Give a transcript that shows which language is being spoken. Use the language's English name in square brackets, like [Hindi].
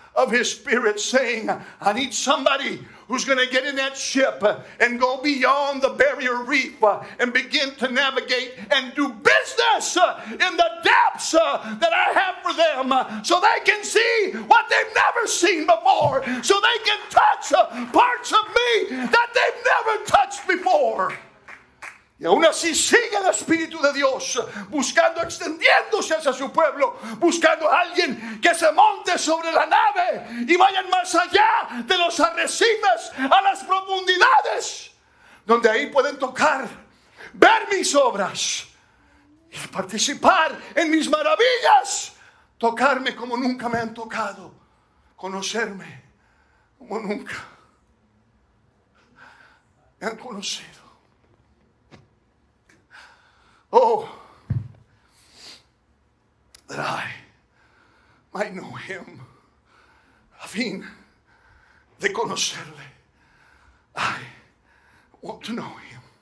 [English] of his spirit saying, I need somebody who's going to get in that ship and go beyond the barrier reef and begin to navigate and do business in the depths that I have for them, so they can see what they've never seen before, so they can touch parts of me that they've never touched before. [Spanish] Y aún así sigue el Espíritu de Dios buscando, extendiéndose hacia su pueblo, buscando a alguien que se monte sobre la nave y vayan más allá de los arrecifes a las profundidades, donde ahí pueden tocar, ver mis obras y participar en mis maravillas, tocarme como nunca me han tocado, conocerme como nunca me han conocido. [English] Oh, that I might know him, [Spanish] a fin de conocerle. [English] I want to know him.